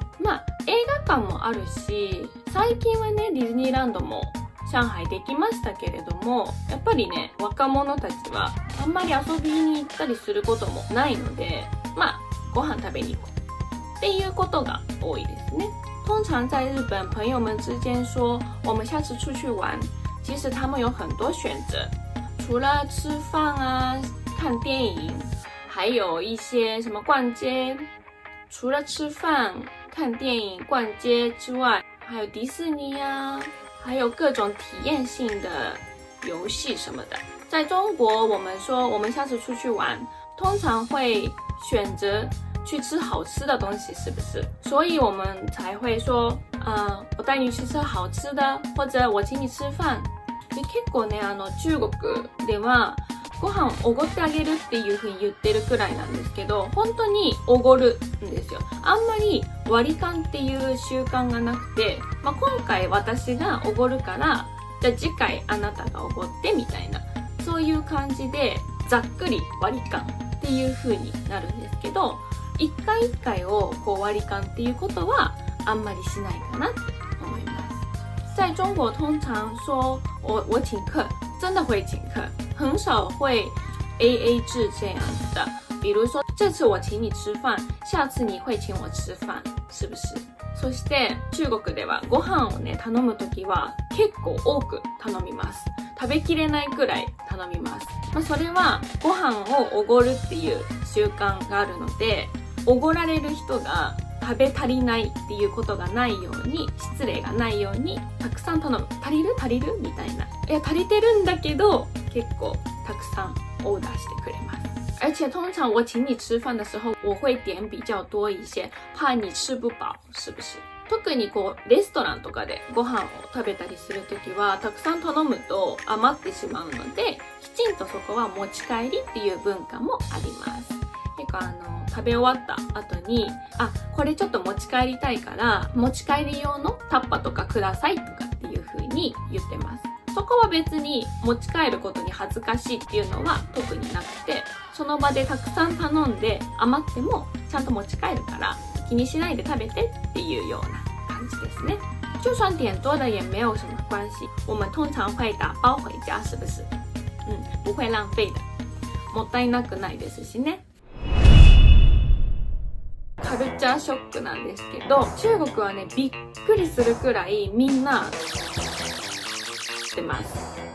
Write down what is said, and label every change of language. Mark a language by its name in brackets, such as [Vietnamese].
[Japanese] まあ、映画館もあるし、最近はね、ディズニーランドも上海できましたけれども、やっぱりね、若者たちはあんまり遊びに行ったりすることもないので、まあ、ご飯食べに行こうっていうことが多いですね。 [Chinese] 通常在日本、朋友们之间说、我们下次出去玩、其实他们有很多选择。除了吃饭啊、看电影、还有一些什么逛街、除了吃饭、看电影、逛街之外、还有迪士尼啊、还有各种体验性的游戏什么的。在中国，我们说我们下次出去玩，通常会选择去吃好吃的东西，是不是？所以我们才会说，我带你去吃好吃的，或者我请你吃饭。 [Japanese] で、結構ね、あの、中国ではご飯おごってあげるっていう風に言ってるくらいなんですけど、本当におごるんですよ。あんまり割り勘っていう習慣がなくて、まあ、今回私がおごるから、じゃあ次回あなたがおごってみたいな、そういう感じでざっくり割り勘っていう風になるんですけど、一回一回をこう割り勘っていうことはあんまりしないかなって思います。 [Chinese] 在中国通常说我请客、真的会请客。很少会 AA 制这样子的，比如说这次我请你吃饭，下次你会请我吃饭，是不是？ [Japanese] そして中国ではご飯をね頼むときは結構多く頼みます。食べきれないくらい頼みます。まあ、それはご飯をおごるっていう習慣があるので、おごられる人が食べ足りないっていうことがないように、失礼がないようにたくさん頼む、足りる足りるみたいな、いや足りてるんだけど結構たくさんオーダーしてくれます。 [Chinese] 而且通常我请你吃饭的时候我会点比较多一些，怕你吃不饱，是不是？ [Japanese] 特にこうレストランとかでご飯を食べたりするときはたくさん頼むと余ってしまうので、きちんとそこは持ち帰りっていう文化もあります。結構あの食べ終わった後に、あ、これちょっと持ち帰りたいから、持ち帰り用のタッパとかくださいとかっていう風に言ってます。そこは別に持ち帰ることに恥ずかしいっていうのは特になくて、その場でたくさん頼んで余ってもちゃんと持ち帰るから気にしないで食べてっていうような感じですね。 [Chinese] 就算点多的也没有什么关系。我们通常会打包回家，是不是？不会浪费的。 [Japanese] もったいなくないですしね。カルチャーショックなんですけど、中国はね、びっくりするくらいみんな、してます。